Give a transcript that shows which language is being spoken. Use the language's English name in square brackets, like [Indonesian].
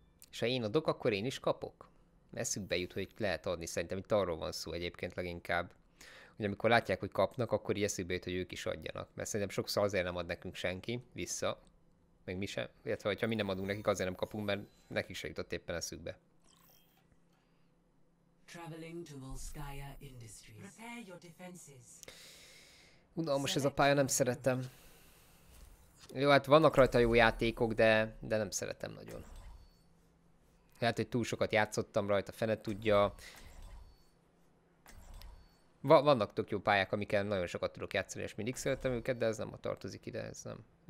[Hungarian] És ha én adok, akkor én is kapok? Eszükbe jut, hogy lehet adni. Szerintem itt arról van szó egyébként leginkább. Hogy amikor látják, hogy kapnak, akkor így eszükbe jut, hogy ők is adjanak. Mert szerintem sokszor azért nem ad nekünk senki vissza. Meg mi sem. Illetve, hogyha mi nem adunk nekik, azért nem kapunk, mert nekik se jutott éppen eszükbe. [English] Traveling to Volskaya Industries. Prepare your defenses. [Hungarian] Unalmas ez a pálya, nem szeretem. Jó, hát vannak rajta jó játékok, de nem szeretem nagyon. Lehet, hogy túl sokat játszottam rajta, fene tudja. Vannak tök jó pályák, amikkel nagyon sokat tudok játszani, és mindig szeretem őket, de ez nem a tartozik ide, ez nem.